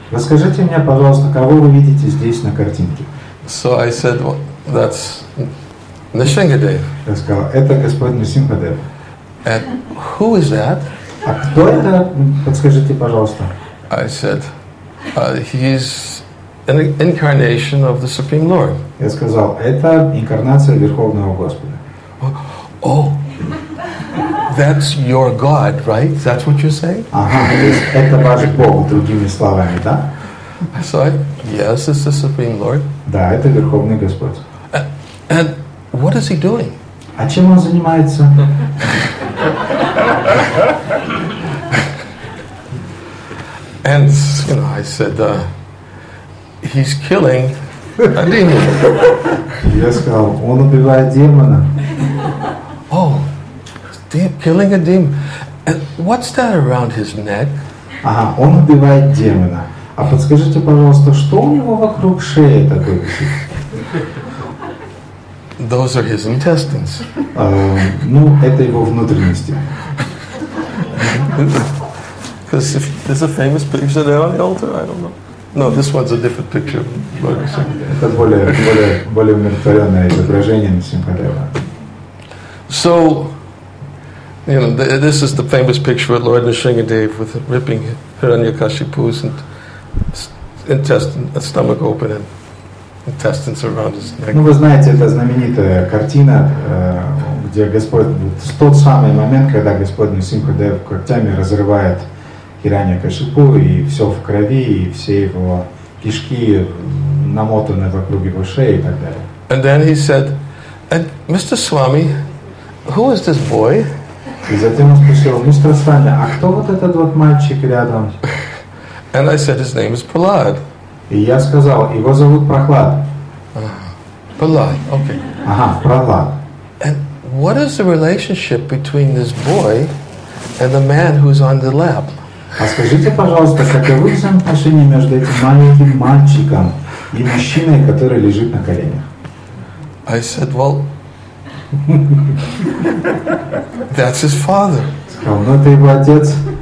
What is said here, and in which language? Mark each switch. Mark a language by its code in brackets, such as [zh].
[ru] Расскажите мне, пожалуйста, кого вы видите здесь на картинке? [en] So I said, well, that's Нисимхадев. [ru] Я сказал, это господин Нисимхадев. [en] And who is that? [ru] А кто это? Подскажите, пожалуйста. [en] I said, he's an incarnation of the Supreme Lord. [ru] Я сказал, это инкарнация Верховного Господа. [en] Oh, that's your God, right? That's what you're saying? [ru] Ага, это ваш Бог, другими словами, да? [en] So I said, yes, it's the Supreme Lord. [ru] Да, это Верховный Господь. [en] And what is he doing? [ru] А чем он занимается? [en] And, you know, I said, he's killing a demon. [ru] Я сказал, он убивает демона. [en] Oh, killing a demon. And what's that around his neck? [ru] Ага, он убивает демона. А подскажите, пожалуйста, что у него вокруг шеи такое? [en] Those are his intestines. [ru] Ну, это его внутренности. [en] Because if there's a famous picture there on the altar, I don't know. No, this one's a different picture. [ru] Это более умиротворенное изображение Нисимхадева. [en] So, you know, this is the famous picture of Lord Nrisimhadev with ripping Hiranyakashipu's intestine, stomach open, and intestines around his neck. [ru] Ну, вы знаете, это знаменитая картина, где Господь, в тот самый момент, когда Господь Нрисимхадев когтями разрывает Хиранья-Кашипу, и все в крови, и все его кишки намотаны вокруг его шеи и так далее. [en] And then he said, and Mr. Swami, who is this boy? [ru] И затем он спросил, мистер Свами, а кто вот этот вот мальчик рядом? [en] And I said, his name is Prahlad. [ru] И я сказал, его зовут Прохлад. [en] Prahlad, okay. [ru] Ага, Прохлад. [en] And what is the relationship between this boy and the man who's on the lap? [ru] А скажите, пожалуйста, каковы взаимоотношения между этим маленьким мальчиком и мужчиной, который лежит на коленях? [en] I said, well, that's his father. [ru] Сказал, ну это его отец.